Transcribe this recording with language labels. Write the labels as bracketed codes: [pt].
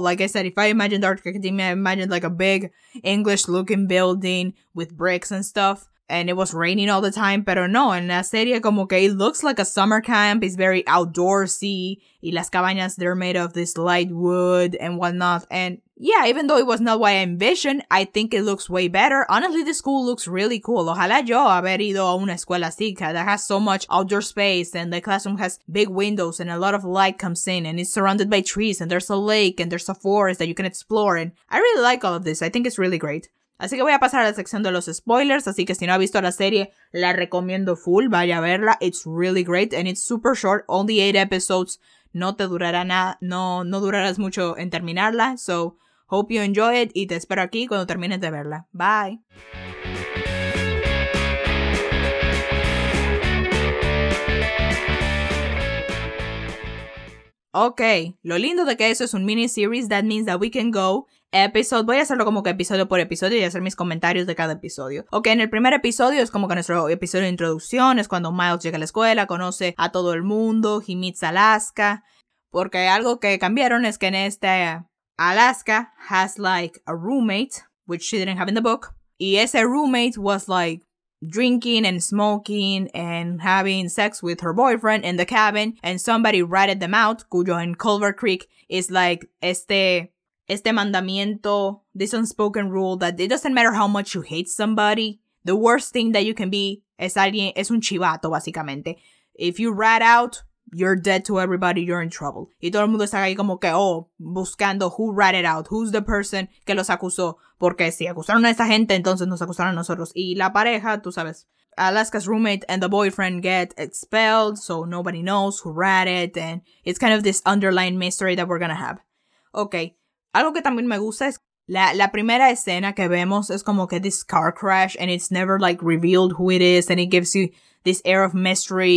[en] Like I said, if I imagined Dark Academia, I imagined like a big English looking building with bricks and stuff, and it was raining all the time, [es] pero no, en la serie como que [en] it looks like a summer camp, it's very outdoorsy, [es] y las cabañas, [en] they're made of this light wood and whatnot, and yeah, even though it was not what I envisioned, I think it looks way better. Honestly, the school looks really cool. [es] Ojalá yo haber ido a una escuela así, [en] that has so much outdoor space, and the classroom has big windows, and a lot of light comes in, and it's surrounded by trees, and there's a lake, and there's a forest that you can explore, and I really like all of this. I think it's really great. [es] Así que voy a pasar a la sección de los spoilers, así que si no ha visto la serie, la recomiendo full, vaya a verla. [en] It's really great, and it's super short, only 8 episodes. [es] No te durará nada, no durarás mucho en terminarla. [en] So, hope you enjoy it [es] y te espero aquí cuando termines de verla. Bye. Okay, lo lindo de que eso es un miniseries, [en] that means that we can go episode. [es] Voy a hacerlo como que episodio por episodio y hacer mis comentarios de cada episodio. Ok, en el primer episodio es como que nuestro episodio de introducción, es cuando Miles llega a la escuela, conoce a todo el mundo, [en] he meets Alaska. [es] Porque algo que cambiaron es que en este [en] Alaska has like a roommate, which she didn't have in the book. [es] Y ese [en] roommate was like drinking and smoking and having sex with her boyfriend in the cabin. And somebody ratted them out, [es] cuyo [en] in Culver Creek is like [es] este mandamiento, [en] this unspoken rule that it doesn't matter how much you hate somebody. The worst thing that you can be [es] es alguien, es un chivato, básicamente. [en] If you rat out, you're dead to everybody, you're in trouble. [es] Y todo el mundo está ahí como que, oh, buscando [en] who ratted out, who's the person [es] que los acusó. Porque si acusaron a esa gente, entonces nos acusaron a nosotros. Y la pareja, tú sabes, [en] Alaska's roommate and the boyfriend get expelled, so nobody knows who ratted. And it's kind of this underlying mystery that we're gonna have. [es] Okay, algo que también me gusta es la primera escena que vemos es como que [en] this car crash, and it's never like revealed who it is, and it gives you this air of mystery.